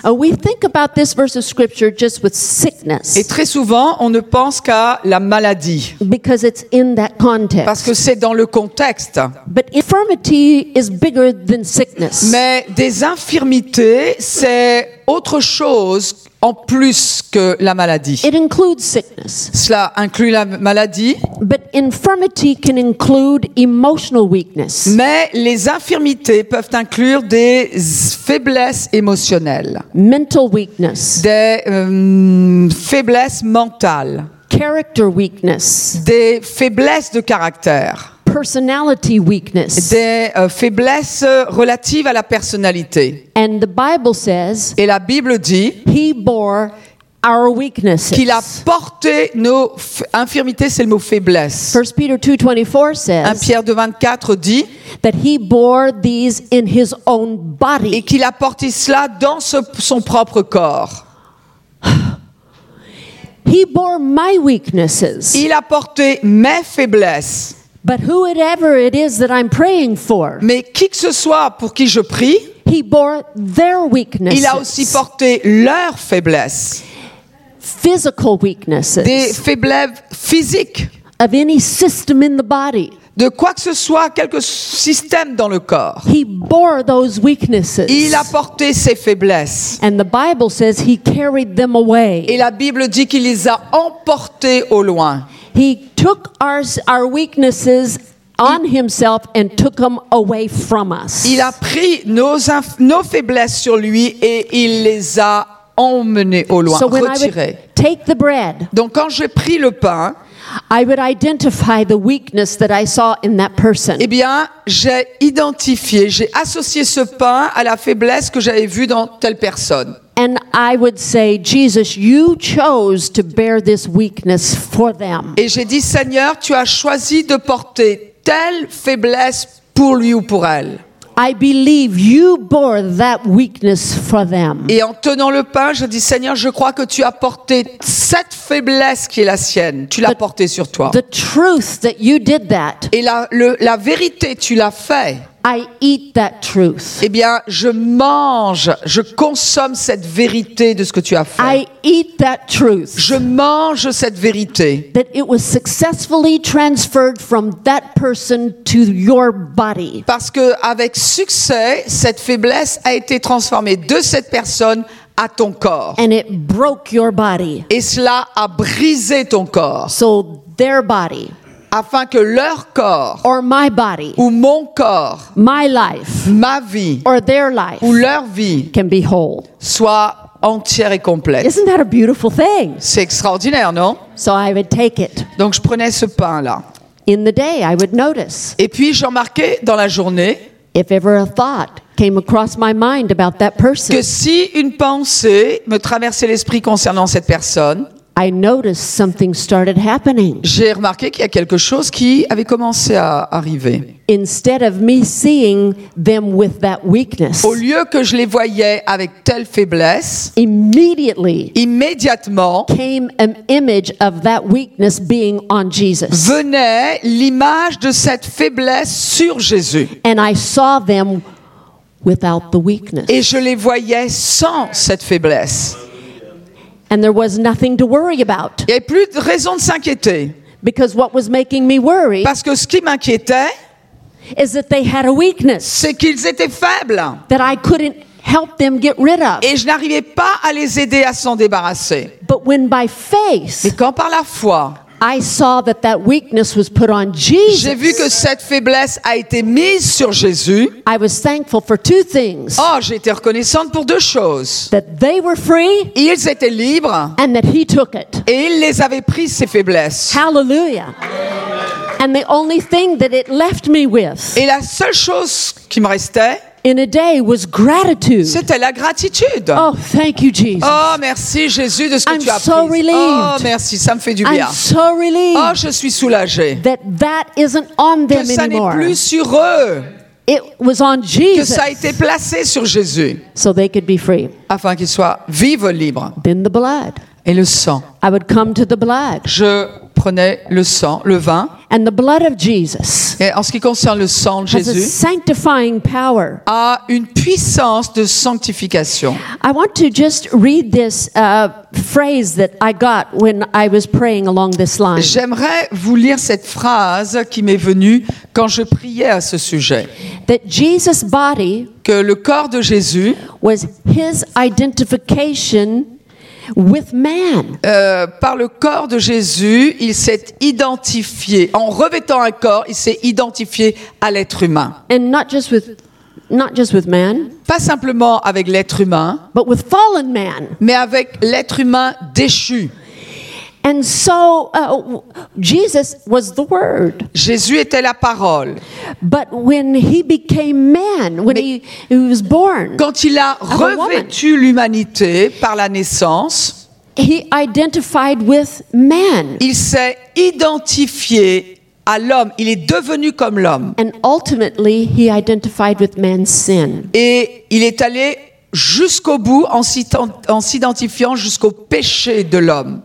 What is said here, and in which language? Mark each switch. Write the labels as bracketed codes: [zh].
[en] We think about this verse of scripture just with sickness. [fr] Et très souvent, on ne pense qu'à la maladie. [en] Because it's in that context. [fr] Parce que c'est dans le contexte. [en] But infirmity is bigger than sickness. [fr] Mais des infirmités, c'est autre chose en plus que la maladie. [en] It includes sickness. [fr] Cela inclut la maladie. [en] But infirmity can include emotional weakness. [fr] Mais les infirmités peuvent inclure des faiblesses émotionnelles. [en] Mental weakness. [fr] Des faiblesses mentales. [en] Character weakness. [fr] Des faiblesses de caractère. [en] Personality weakness. [fr] Des faiblesses relatives à la personnalité. [en] And the Bible says, [fr] et la Bible dit, [en] he bore our weaknesses. [fr] Qu'il a porté nos infirmités, c'est le mot faiblesse. [en] 1 Peter 2:24 says, [fr] 1 Pierre 2:24 dit, [en] that he bore these in his own body. [fr] Et qu'il a porté cela dans son propre corps. [en] He bore my weaknesses. [fr] Il a porté mes faiblesses. [en] But whoever it is that I'm praying for, [fr] mais qui que ce soit pour qui je prie, [en] he bore their weaknesses. [fr] Il a aussi porté leurs faiblesses. [en] Physical weaknesses. [fr] Des faiblesses physiques. [en] Of any system in the body. [fr] De quoi que ce soit, quelque système dans le corps. [en] He bore those weaknesses. [fr] Il a porté ses faiblesses. [en] And the Bible says he carried them away. [fr] Et la Bible dit qu'il les a emportées au loin. [en] He took our weaknesses on himself and took them away from us. [fr] Il a pris nos faiblesses sur lui et il les a emmenées au loin, retirées. [en] So when I would take the bread, [fr] donc quand j'ai pris le pain, [en] I would identify the weakness that I saw in that person. [fr] Eh bien, j'ai identifié, j'ai associé ce pain à la faiblesse que j'avais vue dans telle personne. [en] And I would say, Jesus, you chose to bear this weakness for them. [fr] Et j'ai dit, Seigneur, tu as choisi de porter telle faiblesse pour lui ou pour elle. [en] I believe you bore that weakness for them. [fr] Et en tenant le pain, je dis, Seigneur, je crois que tu as porté cette faiblesse qui est la sienne. Tu l'as portée sur toi. [en] The truth that you did that. [fr] Et la vérité, tu l'as fait. [en] I eat that truth. [fr] Eh bien, je mange, je consomme cette vérité de ce que tu as fait. [en] I eat that truth. [fr] Je mange cette vérité. [en] That it was successfully transferred from that person to your body. [fr] Parce que avec succès, cette faiblesse a été transformée de cette personne à ton corps. [en] And it broke your body. [fr] Et cela a brisé ton corps. [en] So their body. [fr] Afin que leur corps, [en] or my body, [fr] ou mon corps, [en] my life, [fr] ma vie, [en] or their life, [fr] ou leur vie, [en] can be whole. [fr] Soit entière et complète. [en] Isn't that a beautiful thing? [fr] C'est extraordinaire, non? [en] So I would take it. [fr] Donc je prenais ce pain-là. [en] In the day, I would notice. [fr] Et puis j'en marquais dans la journée. [en] If ever a thought came across my mind about that person, [fr] que si une pensée me traversait l'esprit concernant cette personne, [en] I noticed something started happening. [fr] J'ai remarqué qu'il y a quelque chose qui avait commencé à arriver. [en] Instead of me seeing them with that weakness, [fr] au lieu que je les voyais avec telle faiblesse, [en] immédiatement came an image of that weakness being on Jesus. [fr] Venait l'image de cette faiblesse sur Jésus. [en] And I saw them without the weakness. [fr] Et je les voyais sans cette faiblesse. [en] And there was nothing to worry about. [fr] Il n'y avait plus de raison de s'inquiéter. [en] Because what was making me worry, [fr] parce que ce qui m'inquiétait, [en] is that they had a weakness, [fr] c'est qu'ils étaient faibles, [en] that I couldn't help them get rid of. [fr] Et je n'arrivais pas à les aider à s'en débarrasser. [en] But when by faith, [fr] mais quand par la foi, [en] I saw that that weakness was put on Jesus, [fr] j'ai vu que cette faiblesse a été mise sur Jésus, [en] I was thankful for two things. [fr] Oh, j'ai été reconnaissante pour deux choses. [en] That they were free, [fr] ils étaient libres, [en] and that he took it. [fr] Et il les avait pris, ces faiblesses. [en] Hallelujah. And the only thing that it left me with, [fr] et la seule chose qui me restait, [en] in a day was gratitude. [fr] C'était la gratitude. [en] Oh, thank you, Jesus. [fr] Oh, merci Jésus de ce que [en] I'm [fr] tu as [en] so [fr] pris. [en] Relieved. [fr] Oh, merci, ça me fait du bien. [en] I'm so relieved. [fr] Oh, je suis soulagée. [en] That isn't on them [fr] que ça [en] anymore. [fr] N'est plus sur eux. [en] It was on Jesus. [fr] Que ça a été placé sur Jésus. [en] So they could be free. [fr] Afin qu'ils soient vivre libre. [en] Then the blood. [fr] Et le sang. [en] I would come to the blood. [fr] Je prenais le sang, le vin. [en] And the blood of Jesus, [fr] et en ce qui concerne le sang de Jésus, [en] has a sanctifying power, [fr] a une puissance de sanctification. [en] I want to just read this phrase that I got when I was praying along this line. [fr] J'aimerais vous lire cette phrase qui m'est venue quand je priais à ce sujet. [en] That Jesus' body, [fr] que le corps de Jésus, [en] was his identification with man. [fr] Par le corps de Jésus, il s'est identifié. En revêtant un corps, il s'est identifié à l'être humain. [en] And not just with man. [fr] Pas simplement avec l'être humain. [en] But with fallen man. [fr] Mais avec l'être humain déchu. [en] And so Jesus was the word. [fr] Jésus était la parole. [en] But when he became man, when he was born. [fr] Quand il a revêtu l'humanité par la naissance, [en] he identified with man. [fr] Il s'est identifié à l'homme, il est devenu comme l'homme. [en] And ultimately he identified with man's sin. [fr] Et il est allé jusqu'au bout en s'identifiant jusqu'au péché de l'homme